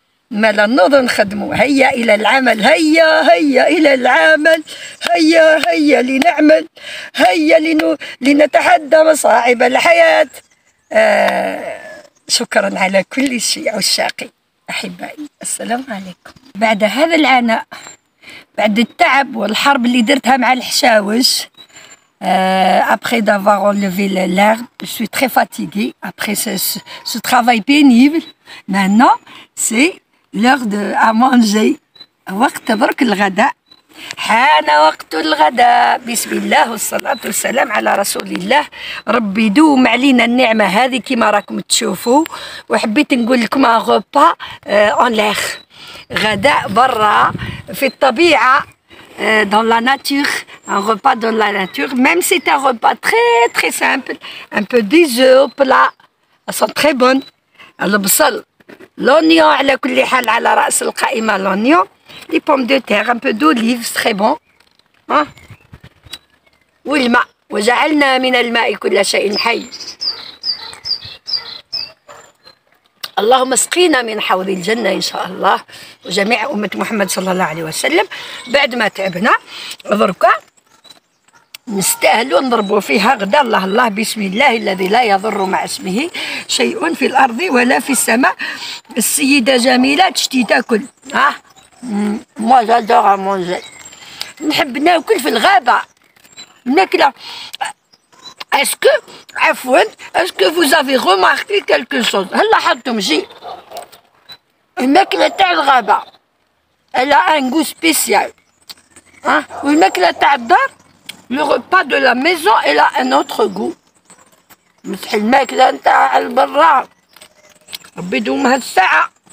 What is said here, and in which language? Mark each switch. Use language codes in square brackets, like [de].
[ar] ما لا نوض نخدمو، هيا إلى العمل، هيا هيا إلى العمل، هيا هيا لنعمل، هيا لنتحدى مصاعب الحياة. شكرا على كل شيء عشاقي أحبائي، السلام عليكم. بعد هذا العناء، بعد التعب والحرب اللي درتها مع الحشاوش، [fr] après d'avoir enlevé l'herbe, je suis très fatiguée après ce travail pénible. Maintenant, c'est l'heure de à manger. [ar] وقت برك الغداء. حان وقت الغداء. بسم الله والصلاة والسلام على رسول الله. ربي دوم علينا النعمة هذه كما راكم تشوفوا. وحبيت نقول لكم [fr] un repas en l'air. [ar] غداء برا في الطبيعة. [fr] Dans la nature, un repas dans la nature, même si c'est un repas très très simple, un peu des œufs au plat, elles sont très bonnes. Le bsal, l'oignon, [ar] ala kulli hal ala ras al qa'ima, [fr] l'oignon, les pommes de terre, un peu d'olive, c'est très bon. Ou le ma, [ar] wa ja'alna min al ma'i kulla shay'in hayy. اللهم اسقينا من حوض الجنة إن شاء الله وجميع أمة محمد صلى الله عليه وسلم. بعد ما تعبنا ضركا نستاهلوا نضربوا فيها غدا. الله الله، بسم الله الذي لا يضر مع اسمه شيء في الأرض ولا في السماء. السيدة جميلة تشتي تاكل، [fr] ها مو جادور مونجي، [ar] نحب ناكل في الغابة ناكلة. [fr] Est-ce que vous avez remarqué quelque chose? Allah hatoum, j'ai... [ar] الماكلة تاع الغابة [fr] الا ان غو سبيسيال ها، [ar] والماكلة تاع الدار [fr] لو روبا دو لا ميزون الا ان اوتر غو. [ar] مسح الماكلة نتاع البرا ربي يدومها الساعة.